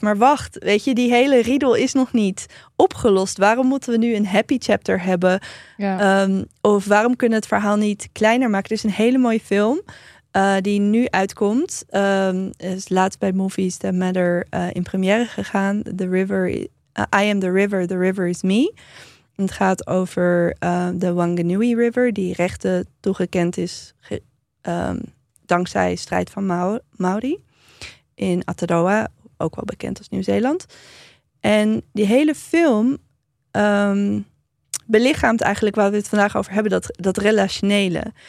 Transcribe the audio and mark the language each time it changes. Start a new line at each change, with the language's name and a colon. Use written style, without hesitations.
Dutch: Maar wacht, weet je, die hele riedel is nog niet opgelost. Waarom moeten we nu een happy chapter hebben? Ja. Of waarom kunnen we het verhaal niet kleiner maken? Het is een hele mooie film die nu uitkomt. Is laatst bij Movies That Matter in première gegaan.
English: The River, I am the river, the river is me.
Dutch: En het gaat over de Whanganui River, die rechten toegekend is dankzij strijd van Maori in Aotearoa, ook wel bekend als Nieuw-Zeeland. En die hele film belichaamt eigenlijk waar we het vandaag over hebben, dat relationele.